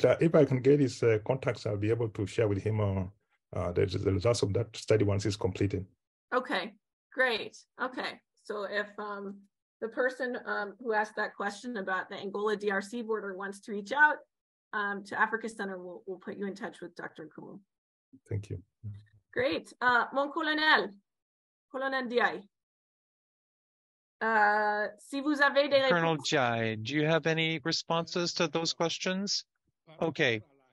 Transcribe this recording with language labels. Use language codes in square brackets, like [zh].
[en] Yeah. If I can get his contacts, I'll be able to share with him there's the results of that study once it's completed. Okay, great. Okay, so if the person who asked that question about the Angola DRC border wants to reach out to Africa Center, we'll put you in touch with Dr. Okumu. Thank you. Great. [fr] Mon colonel, Colonel Ndiaye, si vous avez des réponses. [en] Colonel Ndiaye, do you have any responses to those questions? Okay.